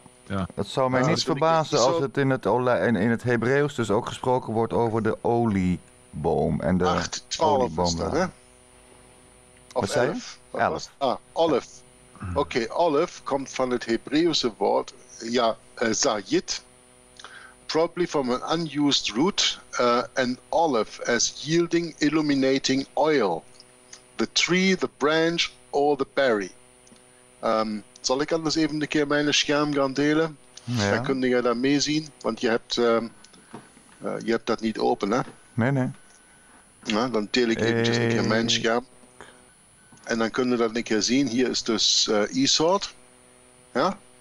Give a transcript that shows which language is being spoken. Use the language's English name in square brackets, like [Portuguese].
[Dutch] Ja. Het zou mij niet verbazen als het in het Hebreeuws dus ook gesproken wordt over de olieboom. En de 8:12 olieboom is dat, hè? Wat zei je? 11. Olive. Ja. Oké, olive komt van het Hebreeuwse woord... [English] Ja, zayit, probably from an unused root, an olive as yielding illuminating oil, the tree, the branch, or the berry. [Dutch] Zal ik anders even een keer mijn scherm gaan delen? Ja. Dan kun je daar mee zien, want je hebt dat niet open, hè? Nee. Ja, dan deel ik eventjes een keer mijn scherm. En dan kun je dat een keer zien. Hier is dus Esort. Ja?